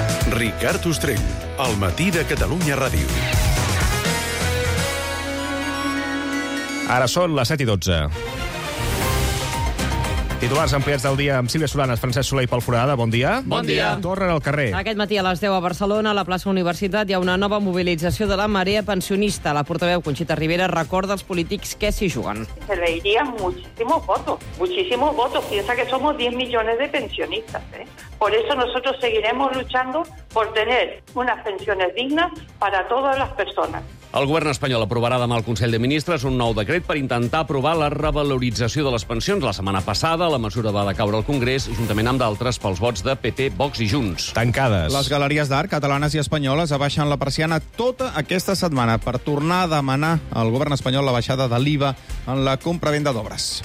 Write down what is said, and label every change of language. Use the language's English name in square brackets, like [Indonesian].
[Catalan] Ricard Ostrell, al matí de Catalunya Ràdio. Ara són les 7 i 12. Titulars ampliats del dia amb Sílvia Solanes, Francesc Soler i Pol Foradada. Bon dia. Bon dia. Torren al carrer. Aquest matí a les 10 a Barcelona, a la plaça Universitat, hi ha una nova mobilització de la marea pensionista. La portaveu Conxita Rivera recorda als polítics que s'hi juguen. [Spanish] Se le iría muchísimos votos. Piensa que somos 10 millones de pensionistas. Por eso nosotros seguiremos luchando por tener unas pensiones dignas para todas las personas. [Catalan] El govern espanyol aprovarà demà al Consell de Ministres un nou decret per intentar aprovar la revalorització de les pensions. La setmana passada, la mesura va decaure al Congrés, juntament amb d'altres, pels vots de PP, Vox i Junts. Tancades. Les galeries d'art catalanes i espanyoles abaixen la persiana tota aquesta setmana per tornar a demanar al govern espanyol la baixada de l'IVA en la compra-venda d'obres.